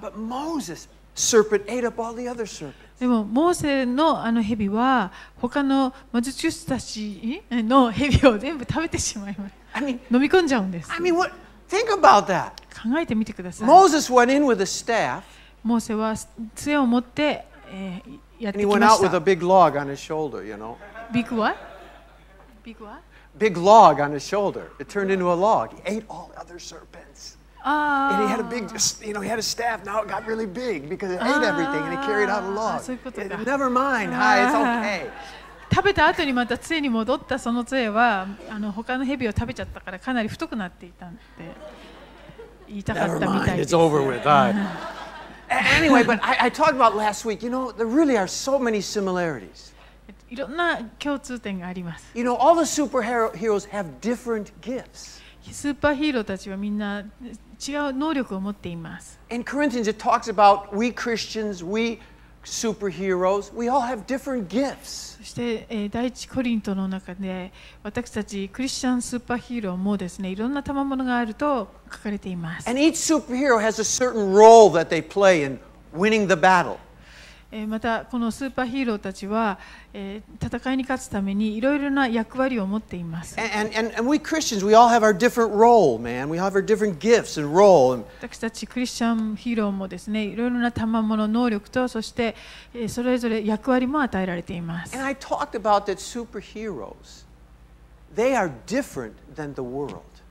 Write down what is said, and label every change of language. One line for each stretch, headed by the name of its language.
Japanese: でもモーセのあの蛇は他の魔術師たちの蛇を全部食べてしまいます。飲み込んじゃうんです。
English: Think about that.
Japanese: 考えてみてください。
English: Moses went in with a staff.
Japanese: モーセは杖を持って、やってきました。
English: And he went out with a big log on his shoulder, you know. Big what? Big what? Big log on his shoulder. It turned into a log. He ate all the other serpents. And he had a big, you know, he had a staff. Now it got really big because it ate everything and it carried out a log. Never mind. Hi, it's okay.
Japanese: 食べた後にまた杖に戻ったその杖はあの他の蛇を食べちゃったからかなり太くなっていたって言いたかったみたいです。
English: Never mind. It's over with. Anyway, but I talked about last week. You know, there really are so many similarities.
Japanese: いろんな共通点があります。
English: You know, all the superheroes have different gifts.
Japanese: スーパーヒーローたちはみんな違う能力を持っています。
English: In Corinthians, it talks about we Christians, we superheroes. We all have different gifts.
Japanese: そして第一コリントの中で私たちクリスチャンスーパーヒーローもですね、いろんな賜物があると書かれています。
English: And each superhero has a certain role that they play in winning the battle.
Japanese: またこのスーパーヒーローたちは戦いに勝つためにいろいろな役割を持っています。
English: And we Christians, we all have our different role, man. We have our different gifts and role.
Japanese: 私たちクリスチャンヒーローもですね、いろいろな賜物、能力とそしてそれぞれ役割も与えられています。
English: And I talked about that superheroes, they are different than the world.